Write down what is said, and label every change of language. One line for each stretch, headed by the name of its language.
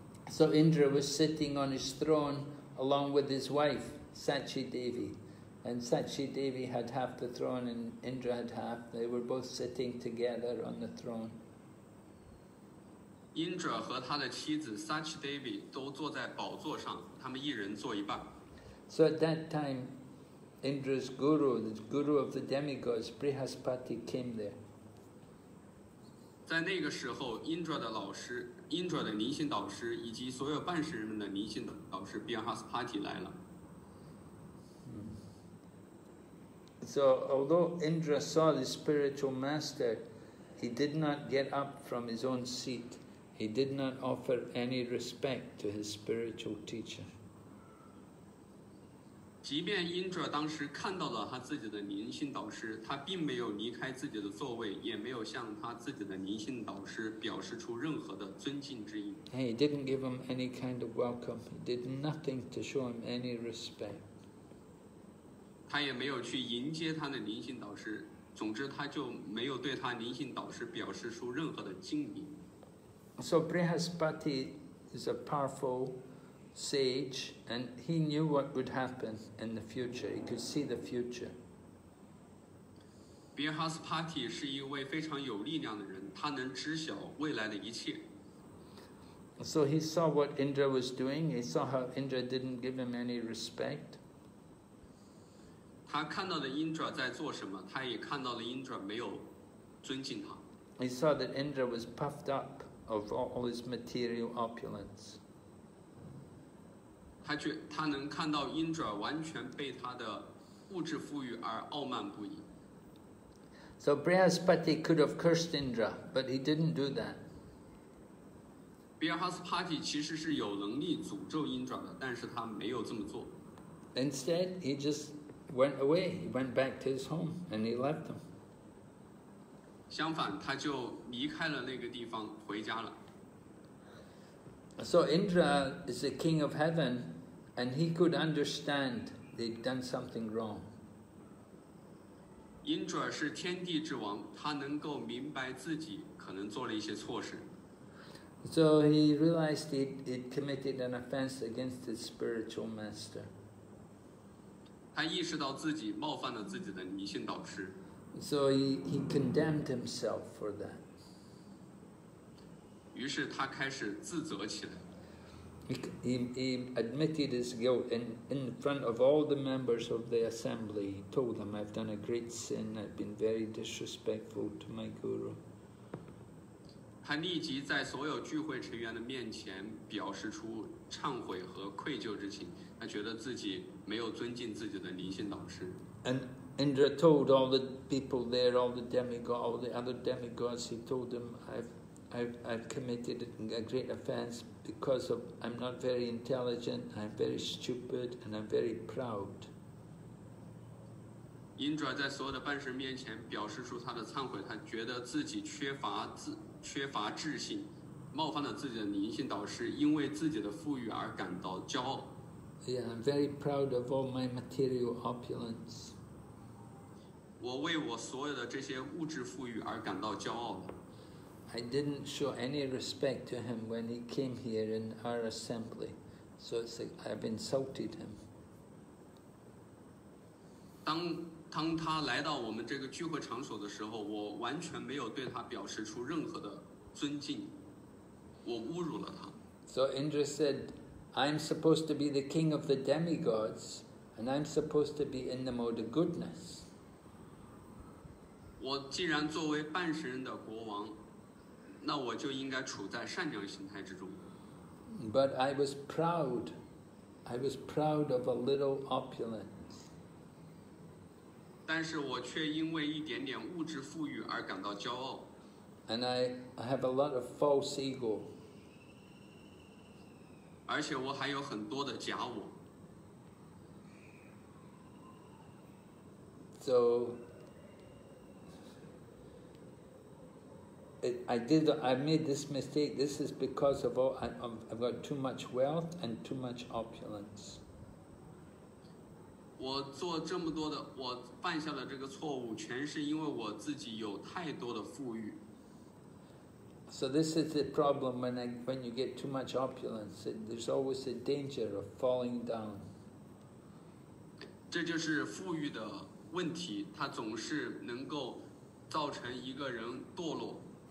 English: So Indra was sitting on his throne along with his wife Sachidevi, and Sachidevi had half the throne and Indra had half. They were both sitting together on the throne.
Chinese: Indra 和他的妻子 Sachidevi 都坐在宝座上，他们一人坐一半。
English: So at that time, Indra's guru, the guru of the demigods, Brihaspati, came there.
Chinese: 在那个时候 ，Indra 的老师 ，Indra 的灵性导师，以及所有半神们的灵性导师 Brihaspati 来了。
English: So although Indra saw the spiritual master, he did not get up from his own seat. He did not offer any respect to his spiritual teacher.
Chinese: 即便 Indra 当时看到了他自己的灵性导师，他并没有离开自己的座位，也没有向他自己的灵性导师表示出任何的尊敬之意。
English: He didn't give him any kind of welcome. He did nothing to show him any respect.
Chinese: 他也没有去迎接他的灵性导师，总之他就没有对他灵性导师表示出任何的敬意。
English: So Brihaspati is a powerful. Sage, and he knew what would happen in the future. He could see the future.
Chinese: Brihaspati 是一位非常有力量的人，他能知晓未来的一切。
English: So he saw what Indra was doing. He saw how Indra didn't give him any respect.
Chinese: 他看到了 Indra 在做什么，他也看到了 Indra 没有尊敬他。
English: He saw that Indra was puffed up of all his material opulence.
Chinese: 他能看到 Indra 完全被他的物质富裕而傲慢不已。
English: So Brihaspati could have cursed Indra, but he didn't do that.
Chinese: Brihaspati 其实是有能力诅咒 Indra 的，但是他没有这么做。
English: Instead, he just went away. He went back to his home and he left him.
Chinese: 相反，他就离开了那个地方，回家了。
English: So Indra is the king of heaven. And he could understand they'd done something wrong.
Chinese: Indra 是天地之王，他能够明白自己可能做了一些错事。
English: So he realized he'd committed an offense against his spiritual master.
Chinese: 他意识到自己冒犯了自己的迷信导师。
English: So he condemned himself for that.
Chinese: 于是他开始自责起来。
English: He admitted his guilt in front of all the members of the assembly. He told them, I've done a great sin. I've been very disrespectful to my guru.
Chinese: 他立即在所有聚会成员的面前表示出忏悔和愧疚之情。他觉得自己没有尊敬自己的灵性导师。
English: And Indra told all the people there, all the demigods, all the other demigods, he told them, I've committed a great offense. Because of, I'm not very intelligent, I'm very stupid, and I'm very proud.
Chinese: Indra 在所有的半神面前表示出他的忏悔，他觉得自己缺乏智性，冒犯了自己的灵性导师，因为自己的富裕而感到骄傲。
English: Yeah, I'm very proud of all my material opulence.
Chinese: 我为我所有的这些物质富裕而感到骄傲。
English: I didn't show any respect to him when he came here in our assembly, so it's like I've insulted him.
Chinese: 当他来到我们这个聚会场所的时候，我完全没有对他表示出任何的尊敬，我侮辱了他。
English: So Indra said, "I'm supposed to be the king of the demigods, and I'm supposed to be in the mode of goodness."
Chinese: 我既然作为半神人的国王。那我就应该处在善良心态之中。
English: But I was proud. I was proud of a little opulence.
Chinese: 但是我却因为一点点物质富裕而感到骄傲。
English: And I have a lot of false ego.
Chinese: 而且我还有很多的假我。
English: So. I made this mistake. This is because of all. I've got too much wealth and too much opulence.
Chinese: 我做这么多的，我犯下的这个错误，全是因为我自己有太多的富裕。
English: So this is the problem when you get too much opulence. There's always a danger of falling down.
Chinese: 这就是富裕的问题，它总是能够造成一个人堕落。